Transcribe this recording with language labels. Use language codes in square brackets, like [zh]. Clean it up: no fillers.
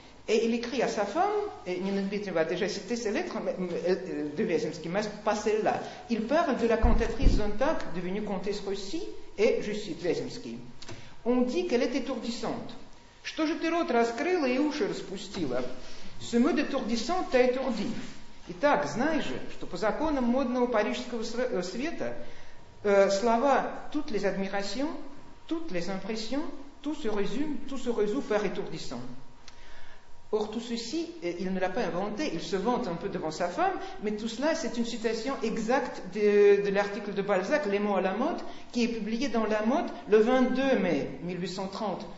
[fr] Et il écrit à sa femme, et Nina Dmitrieva a déjà cité ses lettres de Vyazemsky, mais pas celle-là. Il parle de la cantatrice Zontak, devenue comtesse Russie, et je cite Vyazemsky. On dit qu'elle est étourdissante. [ru] Что же ты рот раскрыла и уши распустила? [fr] Ce mot d'étourdissante t'a étourdi. [ru] Итак, знай же, что по законам модного парижского света слова [fr] «toutes les admirations», «toutes les impressions», «tout se résume», «tout se résout par étourdissant». Or, tout ceci, il ne l'a pas inventé, il se vante un peu devant sa femme, mais tout cela, c'est une citation exacte de l'article de Balzac, Les mots à la mode, qui est publié dans La Mode le 22 mai 1830.